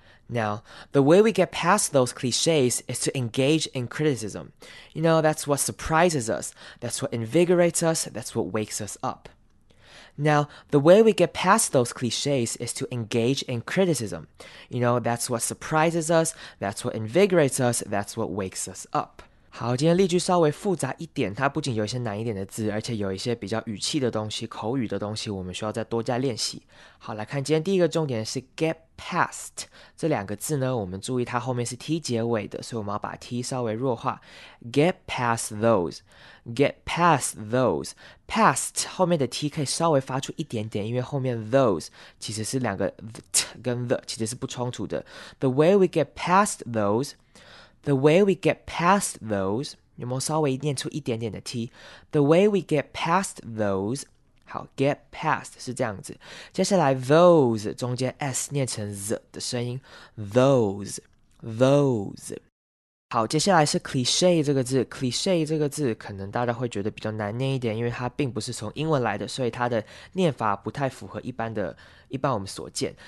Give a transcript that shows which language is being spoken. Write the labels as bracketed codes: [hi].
[en] Now, the way we get past those cliches is to engage in criticism. You know, that's what surprises us, that's what invigorates us, that's what wakes us up. Now, the way we get past those cliches is to engage in criticism. You know, that's what surprises us, that's what invigorates us, that's what wakes us up. [zh] 好，今天例句稍微复杂一点，它不仅有一些难一点的字，而且有一些比较语气的东西、口语的东西，我们需要再多加练习。好，来看今天第一个重点是 get past 这两个字呢，我们注意它后面是 t 结尾的，所以我们要把 t 稍微弱化。 [en] get past those， get past those， [zh] past 后面的 t 可以稍微发出一点点，因为后面 those 其实是两个 th 跟 the 其实是不冲突的。 [en] The way we get past those。 The way we get past those, [zh] 有没有稍微念出一点点的 T? [en] The way we get past those, 好 get past [zh] 是这样子。接下来 those, 中间 S 念成 Z 的声音。 [en] Those, those。 [zh] 好，接下来是 cliché 这个字。cliché 这个字可能大家会觉得比较难念一点，因为它并不是从英文来的，所以它的念法不太符合一般我们所见。